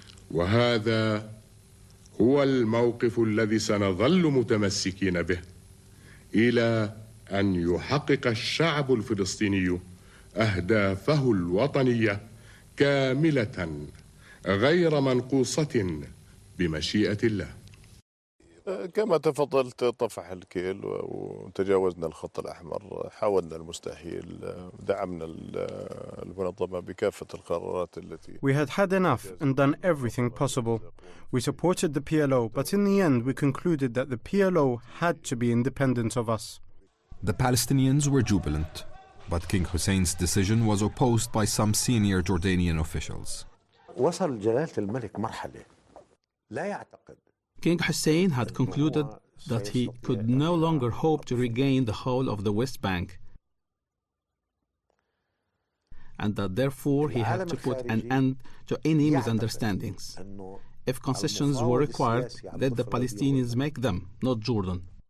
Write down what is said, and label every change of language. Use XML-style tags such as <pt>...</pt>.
<ar>وهذا هو الموقف الذي سنظل متمسكين به إلى أن يحقق الشعب الفلسطيني أهدافه الوطنية كاملة غير منقوصة بمشيئة الله. كما تفضلت طفح الكيل وتجاوزنا الخط الأحمر حاولنا المستحيل دعمنا المنظمة بكافة القرارات التي.</ar> <en>We had had enough and done everything possible. We supported the PLO, but in the end we concluded that the PLO had to be independent of us. The Palestinians were jubilant, but King Hussein's decision was opposed by some senior Jordanian officials.</en> <ar>وصل جلالة الملك مرحلة لا يعتقد.</ar> <en>King Hussein had concluded that he could no longer hope to regain the whole of the West Bank and that therefore he had to put an end to any misunderstandings. If concessions were required, let the Palestinians make them, not Jordan.</en>